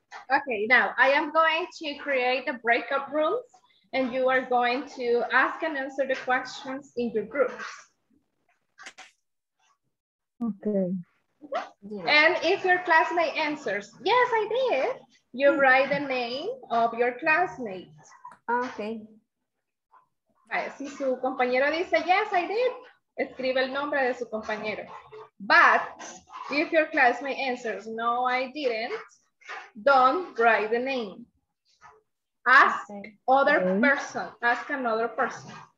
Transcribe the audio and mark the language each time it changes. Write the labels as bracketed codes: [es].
[en] Okay, now I am going to create the breakout rooms and you are going to ask and answer the questions in your groups. Okay. And if your classmate answers, yes, I did, you write the name of your classmate. Okay. [es] Si su compañero dice, [en] yes, I did, [es] escribe el nombre de su compañero. [en] But if your classmate answers, no, I didn't, don't write the name. Ask other person, ask another person.